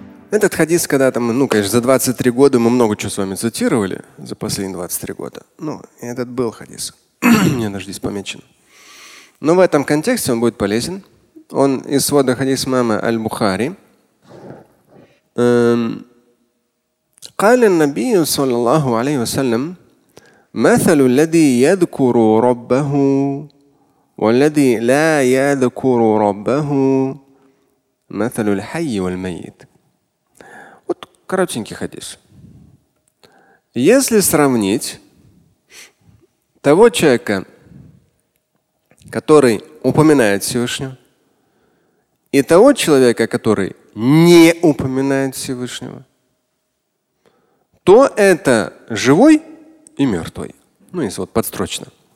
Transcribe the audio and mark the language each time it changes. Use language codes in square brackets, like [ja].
[ru] Этот хадис, когда там, ну, конечно, за 23 года мы много чего с вами цитировали за последние 23 года. Ну, этот был хадис. Мне даже здесь помечен. Но в этом контексте он будет полезен. Он из свода хадис имама Аль-Бухари. [ar] قال النبي صلى الله عليه وسلم مثل الذي يذكر ربه والذي لا يذكر ربه مثل الحي والميت. [ru] Вот коротенький хадис. Если сравнить того человека, который упоминает Всевышнего, и того человека, который не упоминает Всевышнего, то это живой и мертвый. Ну, если вот подстрочно.